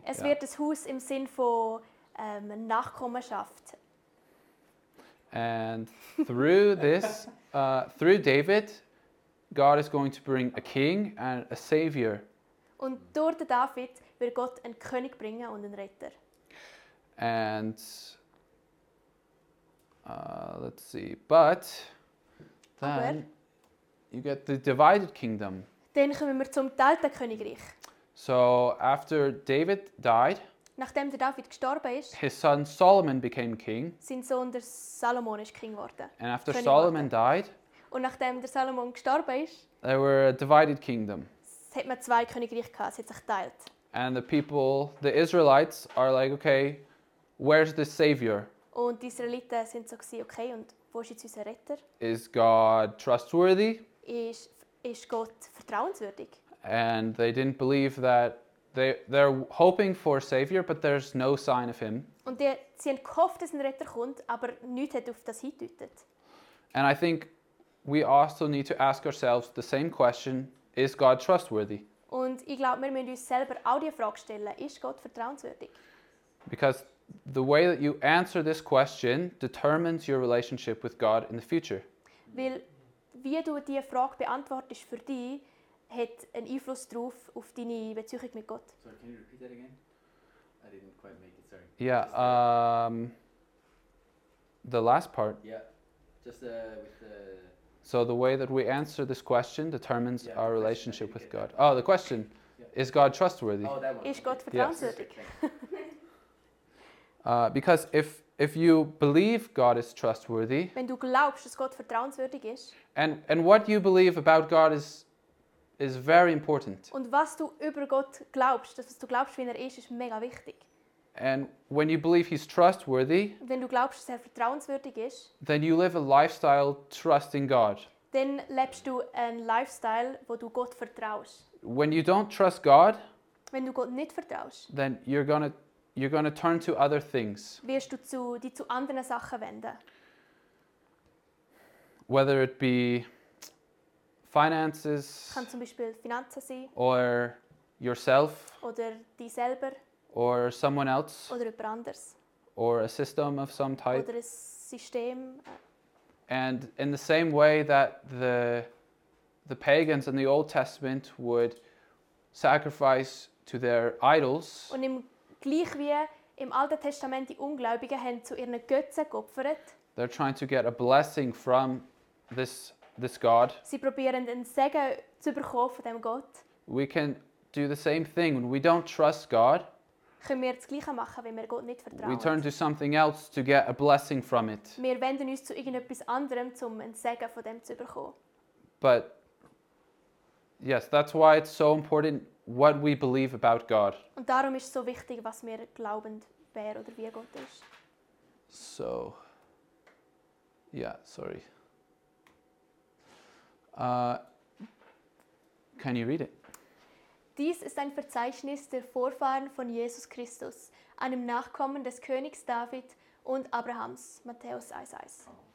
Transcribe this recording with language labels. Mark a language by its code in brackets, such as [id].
[de] Es wird ein Haus im Sinn von Nachkommenschaft. [en] And through this, through David, God is going to bring a king and a savior. [de] Und durch den David wird Gott einen König bringen und einen Retter. [en] And let's see, but then you get the divided kingdom. [de] Dann kommen wir zum geteilten Königreich. [en] So after David died, [de] nachdem der David gestorben ist, [en] his son Solomon became king. [de] Sein Sohn der Salomon ist King geworden. [en] And after [de] König Solomon geworden. [en] Died, [de] und nachdem der Salomon gestorben ist, [en] there were a divided kingdom. [de] Es hat man zwei Königreiche gehabt, es hat sich geteilt. [en] And the people, the Israelites, are like, okay, where's the savior? [de] Und die Israeliten sind so gewesen, okay, und wo ist jetzt unser Retter? [en] Is God trustworthy? [de] Ist Gott vertrauenswürdig? [en] And they didn't believe that they're hoping for a savior, but there's no sign of him. [de] Und sie haben gehofft, dass ein Retter kommt, aber nichts hat auf das hingedeutet. [en] And I think we also need to ask ourselves the same question, is God trustworthy? [de] Und ich glaube, wir müssen uns selber auch die Frage stellen, ist Gott vertrauenswürdig? [en] Because the way that you answer this question determines your relationship with God in the future. [de] Weil, wie du diese Frage beantwortest für dich, hat einen Einfluss darauf, auf deine Beziehung mit Gott. [en] Sorry, can you repeat that again? I didn't quite make it, sorry. Yeah, the last part. Yeah, just with the... So the way that we answer this question determines our relationship with God. Oh, the question, is God trustworthy? Oh, that one. Is God vertrauenswürdig? Because if you believe God is trustworthy, [de] wenn du glaubst, dass Gott vertrauenswürdig ist, [en] and what you believe about God is very important. [de] Und was du über Gott glaubst, das was du glaubst, wie er ist mega wichtig. [en] And when you believe he's trustworthy, [de] wenn du glaubst, dass er vertrauenswürdig ist, [en] then you live a lifestyle trusting God. [de] Dann lebst du ein Lifestyle, wo du Gott vertraust. [en] When you don't trust God, [de] wenn du Gott nicht vertraust, [en] then you're gonna turn to other things. [de] Wirst du dich zu anderen Sachen wenden. [en] Whether it be finances, [de] kann zum Beispiel Finanzen sein, [en] or yourself, [de] oder dich selber. [en] Or someone else. [de] Oder jemand anderes. [en] Or a system of some type. [de] Oder ein System. [en] And in the same way that the pagans in the Old Testament would sacrifice to their idols. [de] Und gleich wie im Alten Testament die Ungläubigen haben zu ihren Götzen geopfert. [en] They're trying to get a blessing from this God. [de] Sie probieren einen Segen zu bekommen von dem Gott. [en] We can do the same thing when we don't trust God. [de] Können wir das Gleiche machen, wenn wir Gott nicht vertrauen? [en] We turn to something else to get a blessing from it. [de] Wir wenden uns zu irgendetwas anderem, um ein Segen von dem zu bekommen. [en] But, yes, that's why it's so important what we believe about God. [de] Und darum ist es so wichtig, was wir glauben, wer oder wie Gott ist. [en] So, yeah, sorry. Can you read it? [de] Dies ist ein Verzeichnis der Vorfahren von Jesus Christus, einem Nachkommen des Königs David und Abrahams, Matthäus 1,1.